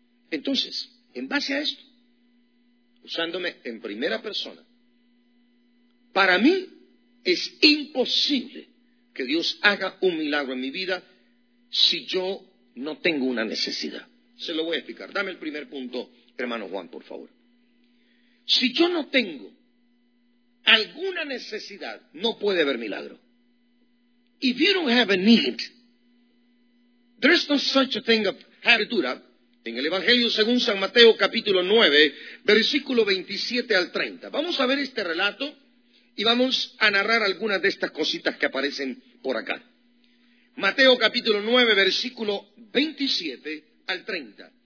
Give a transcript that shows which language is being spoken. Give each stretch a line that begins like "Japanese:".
Spanish: Entonces, en base a esto, usándome en primera persona, para mí es imposible que Dios haga un milagro en mi vida si yo no tengo una necesidad. Se lo voy a explicar. Dame el primer punto, hermano Juan, por favor. Si yo no tengo alguna necesidad, no puede haber milagro.
English: If you don't have a need, there is no such a thing of habitura.
Spanish: En el Evangelio según San Mateo, capítulo 9, versículo 27 al 30. Vamos a ver este relato y vamos a narrar algunas de estas cositas que aparecen por acá. Mateo capítulo 9, versículo 27 al 30.